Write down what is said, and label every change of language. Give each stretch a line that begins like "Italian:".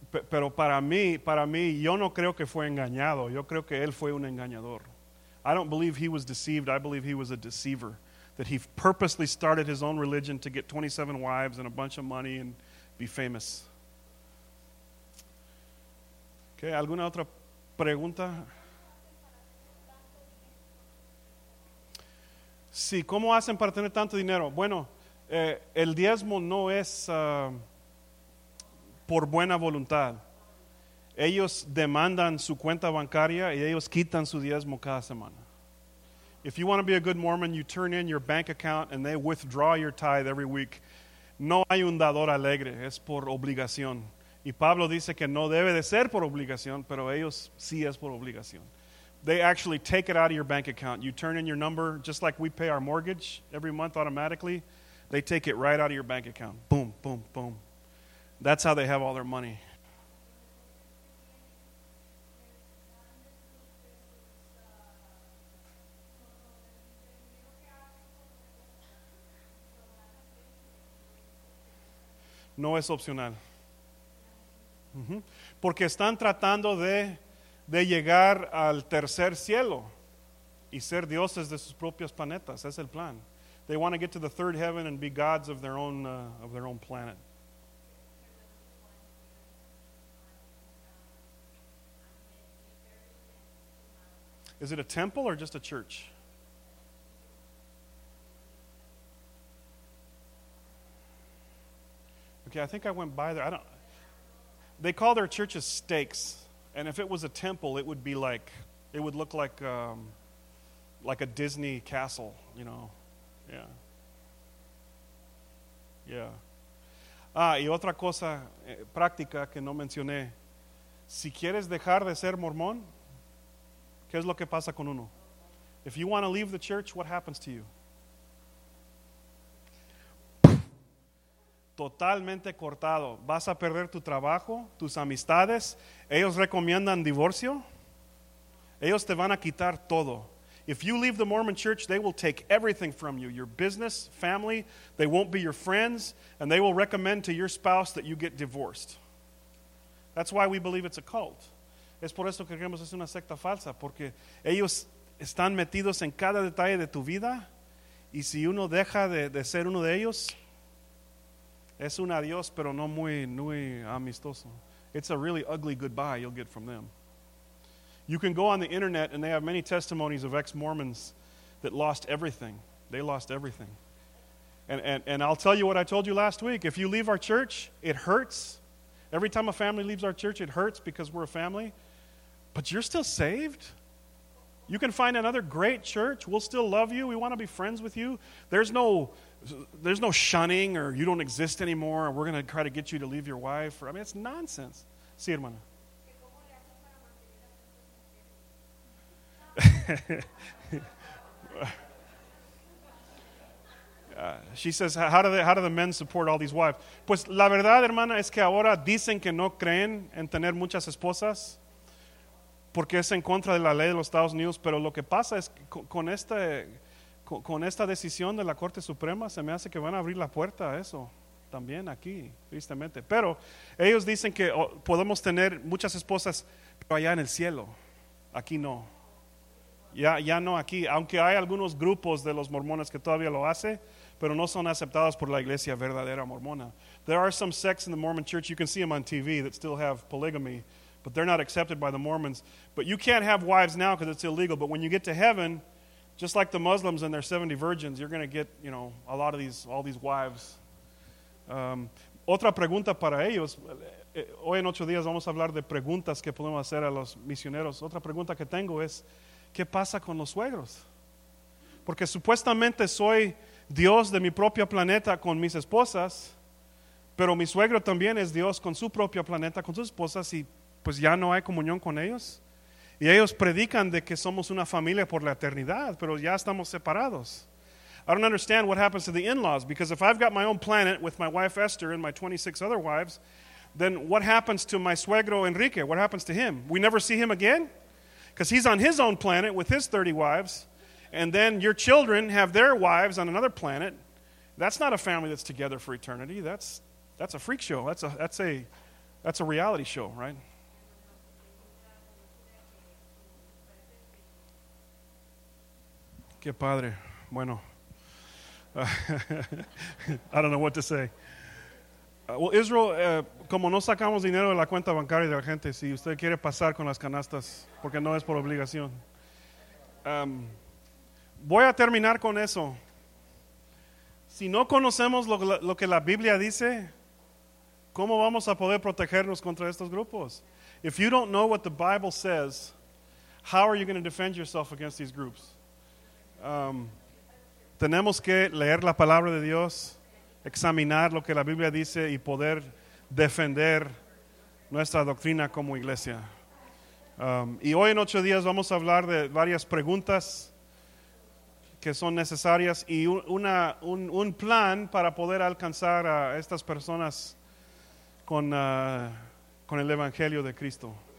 Spanish: Pero para mí, yo no creo que fue engañado. Yo creo que él fue un engañador.
English: I don't believe he was deceived. I believe he was a deceiver. That he purposely started his own religion to get 27 wives and a bunch of money and be famous.
Spanish: Okay, ¿alguna otra pregunta? Sí, ¿cómo hacen para tener tanto dinero? Bueno, el diezmo no es por buena voluntad. Ellos demandan su cuenta bancaria y ellos quitan su diezmo cada semana.
English: If you want to be a good Mormon, you turn in your bank account and they withdraw your tithe every week.
Spanish: No hay un dador alegre, es por obligación. Y Pablo dice que no debe de ser por obligación, pero ellos sí es por obligación.
English: They actually take it out of your bank account. You turn in your number, just like we pay our mortgage every month automatically. They take it right out of your bank account. Boom, boom, boom. That's how they have all their money.
Spanish: No es opcional. Mm-hmm. Porque están tratando de llegar al tercer cielo y ser dioses de sus propios planetas. Es el plan.
English: They want to get to the third heaven and be gods of their own planet. Is it a temple or just a church? Okay, I think I went by there. I don't. They call their churches stakes. And if it was a temple, it would be like, it would look like a Disney castle, you know. Yeah. Yeah.
Spanish: Ah, y otra cosa práctica que no mencioné. Si quieres dejar de ser mormón, ¿qué es lo que pasa con uno?
English: If you want to leave the church, what happens to you?
Spanish: Totalmente cortado. Vas a perder tu trabajo, tus amistades. Ellos recomiendan divorcio. Ellos te van a quitar todo.
English: If you leave the Mormon church, they will take everything from you. Your business, family, they won't be your friends, and they will recommend to your spouse that you get divorced. That's why we believe it's a cult.
Spanish: Es por eso que creemos es una secta falsa, porque ellos están metidos en cada detalle de tu vida, y si uno deja de ser uno de ellos, es un adiós, pero no muy, muy amistoso.
English: It's a really ugly goodbye you'll get from them. You can go on the internet, and they have many testimonies of ex-Mormons that lost everything. They lost everything. And I'll tell you what I told you last week. If you leave our church, it hurts. Every time a family leaves our church, it hurts because we're a family. But you're still saved. You can find another great church. We'll still love you. We want to be friends with you. There's no shunning, or you don't exist anymore, or we're going to try to get you to leave your wife. I mean, it's nonsense.
Spanish: Sí, hermana.
English: She says, how do the men support all these wives?
Spanish: Pues la verdad, hermana, es que ahora dicen que no creen en tener muchas esposas porque es en contra de la ley de los Estados Unidos, pero lo que pasa es que con esta decisión de la Corte Suprema se me hace que van a abrir la puerta a eso también aquí, tristemente. Pero ellos dicen que podemos tener muchas esposas pero allá en el cielo, aquí no. Ya no aquí, aunque hay algunos grupos de los mormones que todavía lo hace, pero no son aceptados por la iglesia verdadera mormona.
English: There are some sects in the Mormon church, you can see them on TV, that still have polygamy, but they're not accepted by the Mormons. But you can't have wives now because it's illegal, but when you get to heaven, just like the Muslims and their 70 virgins, you're going to get, you know, a lot of these, all these wives.
Spanish: Otra pregunta para ellos. Hoy en 8 días vamos a hablar de preguntas que podemos hacer a los misioneros. Otra pregunta que tengo es, ¿qué pasa con los suegros? Porque supuestamente soy Dios de mi propio planeta con mis esposas, pero mi suegro también es Dios con su propio planeta, con sus esposas, y pues ya no hay comunión con ellos. Y ellos predican de que somos una familia por la eternidad, pero ya estamos separados.
English: I don't understand what happens to the in-laws, because if I've got my own planet with my wife Esther and my 26 other wives, then what happens to my suegro Enrique? What happens to him? We never see him again? Because he's on his own planet with his 30 wives, and then your children have their wives on another planet. That's not a family that's together for eternity. That's a freak show. That's a reality show, right?
Spanish: Qué padre. Bueno.
English: I don't know what to say.
Spanish: Well, Israel, como no sacamos dinero de la cuenta bancaria de la gente, si usted quiere pasar con las canastas, porque no es por obligación. Voy a terminar con eso. Si no conocemos lo que la Biblia dice, ¿cómo vamos a poder protegernos contra estos grupos?
English: If you don't know what the Bible says, how are you going to defend yourself against these groups?
Spanish: Tenemos que leer la palabra de Dios, examinar lo que la Biblia dice y poder defender nuestra doctrina como iglesia. Y hoy en 8 días vamos a hablar de varias preguntas que son necesarias y un plan para poder alcanzar a estas personas con el Evangelio de Cristo.